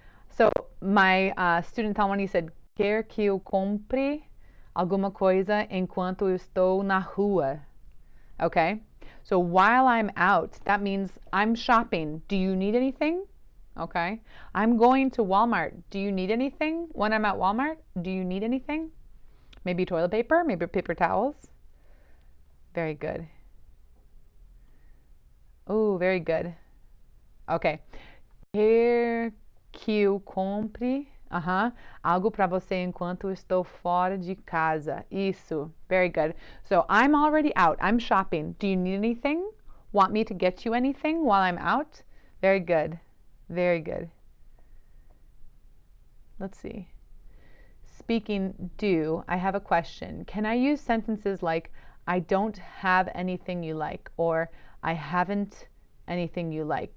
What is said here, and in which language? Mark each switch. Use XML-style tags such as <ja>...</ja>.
<en>So my student Tawani said,</en> <pt>quer que eu compre alguma coisa enquanto estou na rua?</pt> <en>Okay, so while I'm out, that means I'm shopping. Do you need anything? Okay, I'm going to Walmart. Do you need anything when I'm at Walmart? Do you need anything? Maybe toilet paper, maybe paper towels. Very good. Oh, very good.</en> <pt>Okay, quer que eu compre, algo para você enquanto estou fora de casa.</pt> <en>Isso. Very good. So I'm already out. I'm shopping. Do you need anything? Want me to get you anything while I'm out? Very good. Very good. Let's see. Speaking do, I have a question. Can I use sentences like I don't have anything you like or I haven't anything you like?</en>